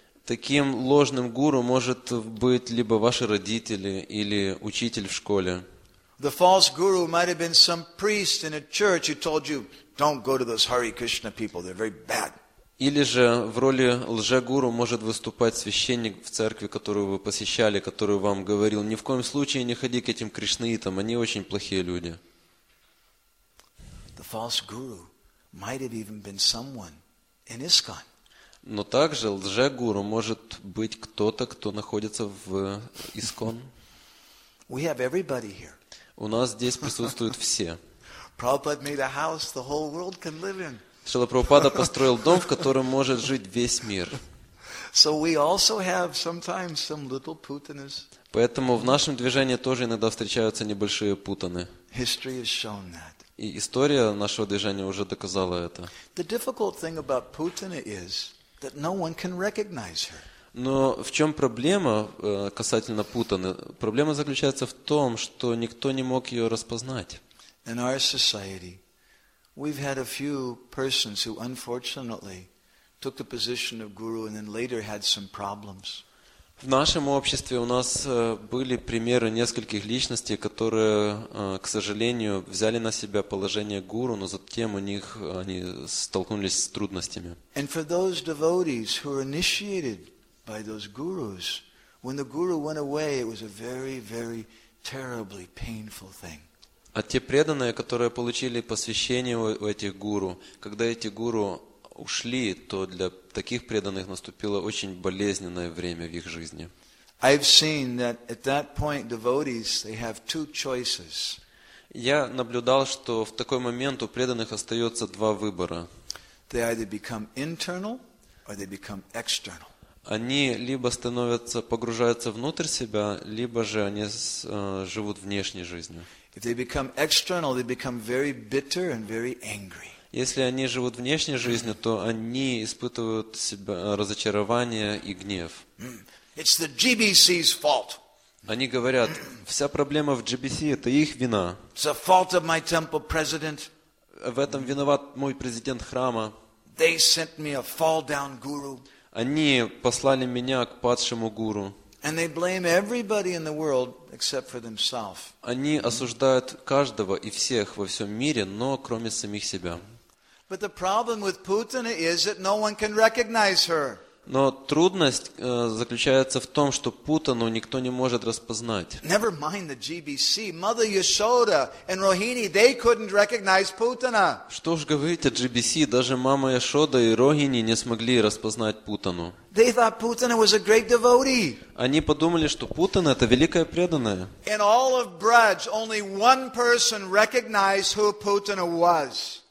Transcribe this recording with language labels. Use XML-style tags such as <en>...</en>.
<ru>Таким ложным гуру может быть либо ваши родители или учитель в школе.</ru> <en>The false guru might have been some priest in a church who told you, "Don't go to those Hare Krishna people; they're very bad."</en> <ru>Или же в роли лжегуру может выступать священник в церкви, которую вы посещали, который вам говорил: "Ни в коем случае не ходи к этим кришнаитам; они очень плохие люди."</ru> <en>The false guru might have even been someone in ISKCON.</en> <ru>Но также лжегуру может быть кто-то, кто находится в ИСКОН.</ru> <en>We have everybody here.</en> <ru>У нас здесь присутствуют все.</ru> <en>Prabhupada made a house the whole world can live in.</en> <ru>Шрила Прабхупада построил дом, в котором может жить весь мир.</ru> <en>So we also have sometimes some little putanas.</en> <ru>Поэтому в нашем движении тоже иногда встречаются небольшие путаны.</ru> <en>History has shown that.</en> <ru>И история нашего движения уже доказала это.</ru> <en>The difficult thing about putana is that no one can recognize her.</en> <ru>Но в чем проблема касательно путаны? Проблема заключается в том, что никто не мог ее распознать.</ru> <en>In our society, we've had a few persons who unfortunately took the position of guru and then later had some problems.</en> <ru>В нашем обществе у нас были примеры нескольких личностей, которые, к сожалению, взяли на себя положение гуру, но затем они столкнулись с трудностями.</ru> <en>And for those devotees who were initiated by those gurus, when the guru went away, it was a very, very terribly painful thing.</en> <ru>А те преданные, которые получили посвящение у этих гуру, когда эти гуру ушли, то для таких преданных наступило очень болезненное время в их жизни.</ru> <en>I've seen that at that point devotees, they have two choices.</en> <ru>Я наблюдал, что в такой момент у преданных остается два выбора.</ru> <en>They either become internal or they become external.</en> <ru>Они либо погружаются внутрь себя, либо же они живут внешней жизнью.</ru> <en>If they become external, they become very bitter and very angry.</en> <ru>Если они живут внешней жизнью, то они испытывают себя разочарование и гнев.</ru> <en>It's the GBC's fault.</en> <ru>Они говорят: вся проблема в GBC, это их вина.</ru> <en>It's the fault of my temple president.</en> <ru>В этом виноват мой президент храма.</ru> <en>They sent me a fall down guru.</en> <ru>Они послали меня к падшему гуру.</ru> <en>And they blame everybody in the world except for themselves.</en> <ru>Они осуждают каждого и всех во всем мире, но кроме самих себя.</ru> <en>But the problem with Putana is that no one can recognize her.</en> <ru>Но трудность заключается в том, что Путану никто не может распознать.</ru> <en>Never mind the GBC, Mother Yashoda and Rohini, they couldn't recognize Putana.</en> <ru>Что ж говорить о GBC, даже мама Яшода и Рогини не смогли распознать Путану.</ru> <en>They thought Putana was a great devotee.</en> <ru>Они подумали, что Путана это великая преданная.</ru> <en>In all of Braj, only one person recognized who Putana was.</en>